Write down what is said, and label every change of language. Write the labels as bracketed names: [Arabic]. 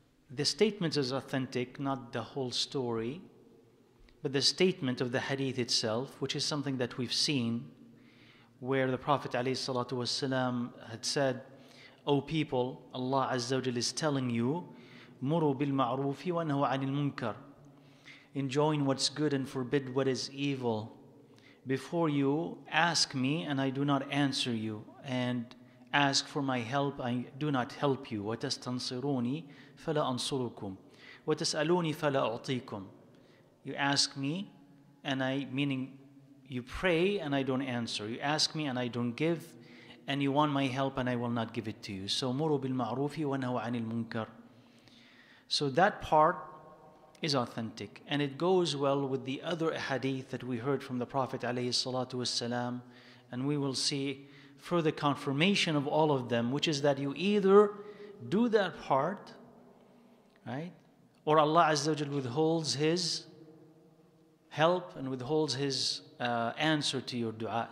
[English] The statement is authentic, not the whole story, but the statement of the hadith itself, which is something that we've seen, where the Prophet عليه الصلاة والسلام had said, O people, Allah Azza wa Jalla is telling you, [Arabic] مروا بالمعروف ونهوا عن المنكر. [English] Enjoin what's good and forbid what is evil. Before you ask me and I do not answer you, and ask for my help, I do not help you. [Arabic] وتستنصروني فلا أنصركم وتسألوني فلا أعطيكم. [English] You ask me and I, meaning you pray and I don't answer. You ask me and I don't give, and you want my help and I will not give it to you. So [Arabic] مروا بالمعروف ونهوا عن المنكر. [English] So that part is authentic, and it goes well with the other hadith that we heard from the Prophet عليه الصلاة والسلام, and we will see further confirmation of all of them, which is that you either do that part, right, or Allah Azza wa Jal withholds His help and withholds His answer to your dua.